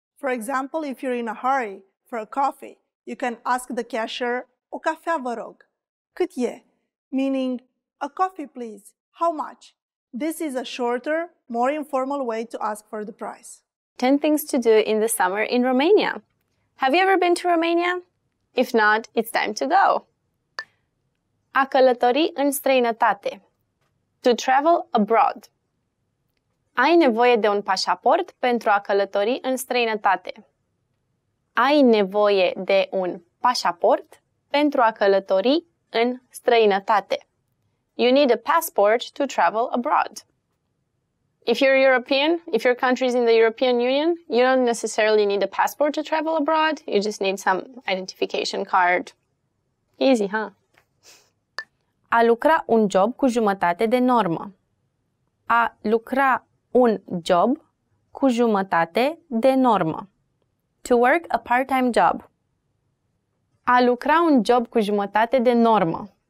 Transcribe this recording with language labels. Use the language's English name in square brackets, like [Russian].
[English] For example, if you're in a hurry for a coffee, you can ask the cashier, [Romanian] o cafea vă rog, cât e, [English] meaning a coffee please, how much? This is a shorter, more informal way to ask for the price. 10 things to do in the summer in Romania. Have you ever been to Romania? If not, it's time to go. [Romanian] A călători în străinătate. [English] To travel abroad. [Romanian] Ai nevoie de un pașaport pentru a călători în străinătate. Ai nevoie de un pașaport pentru a călători în străinătate. [English] You need a passport to travel abroad. If you're European, if your country is in the European Union, you don't necessarily need a passport to travel abroad. You just need some identification card. Easy, huh? [Romanian] A lucra un job cu jumătate de normă. A lucra un job cu jumătate de normă. [English] To work a part-time job. [Romanian] A lucra un job cu jumătate de normă.